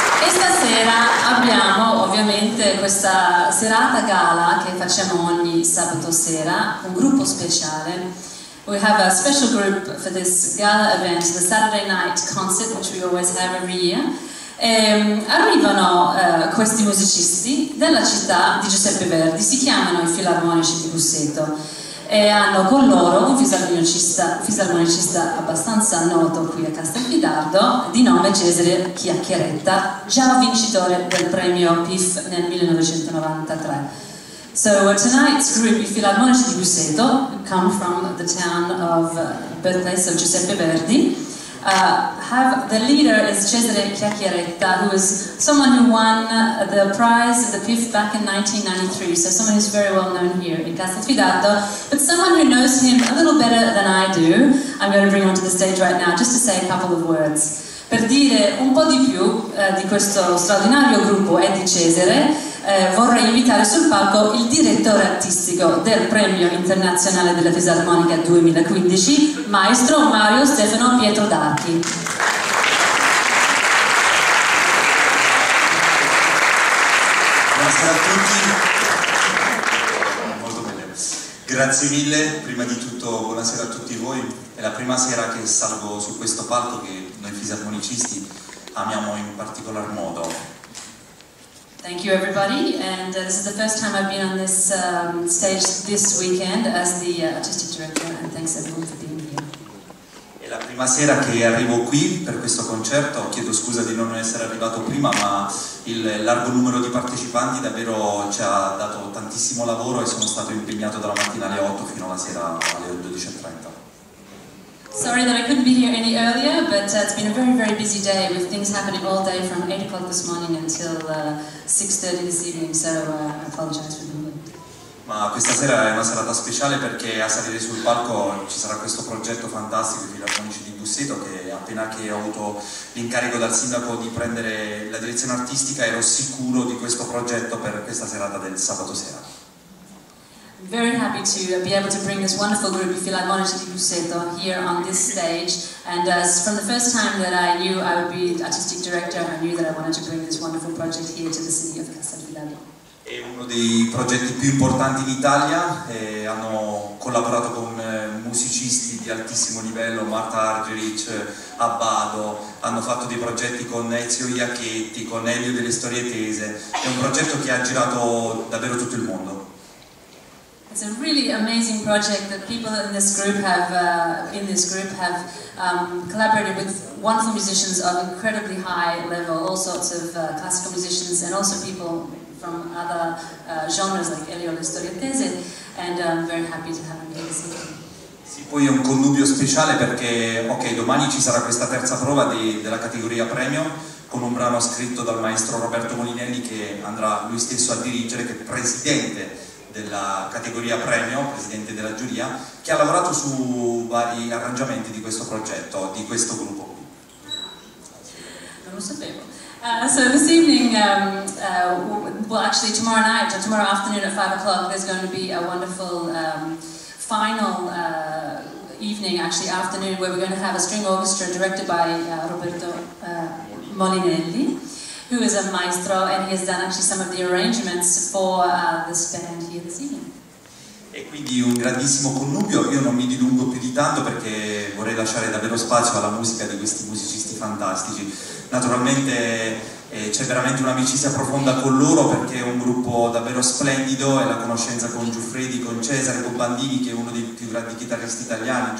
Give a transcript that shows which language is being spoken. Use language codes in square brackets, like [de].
[it] Stasera abbiamo ovviamente questa serata gala che facciamo ogni sabato sera, un gruppo speciale. [en] We have a special group for this gala event, the Saturday night concert, which we always have every year. [it] E arrivano questi musicisti della città di Giuseppe Verdi, si chiamano i Filarmonici di Busseto e hanno con loro un fisarmonicista abbastanza noto qui a Castelfidardo di nome Cesare Chiacchieretta, già vincitore del premio PIF nel 1993. [en] So tonight's group, i Filarmonici di Busseto, come from the town of birthplace of Giuseppe Verdi, the leader is Cesare Chiacchieretta, who is someone who won the prize, the PIF, back in 1993. So someone who's very well known here in Castelfidardo. But someone who knows him a little better than I do, I'm going to bring onto the stage right now just to say a couple of words. [it] Per dire un po' di più di questo straordinario gruppo e di Cesare, vorrei invitare sul palco il direttore artistico del Premio Internazionale della Fisarmonica 2015, maestro Mario Stefano Pietro D'Archi. Grazie a tutti. Molto bene. Grazie mille, prima di tutto buonasera a tutti voi. È la prima sera che salgo su questo palco che noi fisarmonicisti amiamo in particolar modo. [en] Thank you everybody, and this is the first time I've been on this stage this weekend as the artistic director, and thanks everyone for being here. [it] È la prima sera che arrivo qui per questo concerto, chiedo scusa di non essere arrivato prima, ma il largo numero di partecipanti davvero ci ha dato tantissimo lavoro e sono stato impegnato dalla mattina alle 8 fino alla sera alle 12:30. [en] Sorry that I couldn't be here any earlier, but it's been a very, very busy day with things happening all day from 8 o'clock this morning until 6:30 this evening, so I apologize for the delay. [it] Ma questa sera è una serata speciale perché a salire sul palco ci sarà questo progetto fantastico di Filarmonici di Busseto, che appena che ho avuto l'incarico dal sindaco di prendere la direzione artistica ero sicuro di questo progetto per questa serata del sabato sera. [en] Very happy to be able to bring this wonderful group, Filarmonici di Busseto, here on this stage. And from the first time that I knew I would be artistic director, I knew that I wanted to bring this wonderful project here to the city of Castelfidardo. [it] È uno dei progetti più importanti in Italia, hanno collaborato con musicisti di altissimo livello, Marta Argerich, Abbado, hanno fatto dei progetti con Ezio Iacchetti, con Elio delle Storie Tese. È un progetto che ha girato davvero tutto il mondo. [en] It's a really amazing project that people in this group have collaborated with wonderful musicians of incredibly high level, all sorts of classical musicians and also people from other genres like Elio delle Storie Tese, and I'm very happy to have them here. [it] Sì, poi è un connubio speciale perché, ok, domani ci sarà questa terza prova della categoria premium con un brano scritto dal maestro Roberto Molinelli che andrà lui stesso a dirigere, che è presidente della categoria premio, presidente della giuria, che ha lavorato su vari arrangiamenti di questo progetto, di questo gruppo. Non lo sapevo. [en] So this evening, well actually tomorrow night, tomorrow afternoon at 5 o'clock, there's going to be a wonderful final evening, actually afternoon, where we're going to have a string orchestra directed by Roberto Molinelli, who is a maestro, and he has done actually some of the arrangements for this band here this evening. [it] E quindi un grandissimo connubio, io non mi dilungo più di tanto perché vorrei lasciare davvero spazio alla musica di questi musicisti fantastici. Naturalmente c'è veramente un'amicizia profonda con loro perché è un gruppo davvero splendido e la conoscenza con Giuffredi, con Cesare, con Bandini, che è uno dei più grandi chitarristi italiani.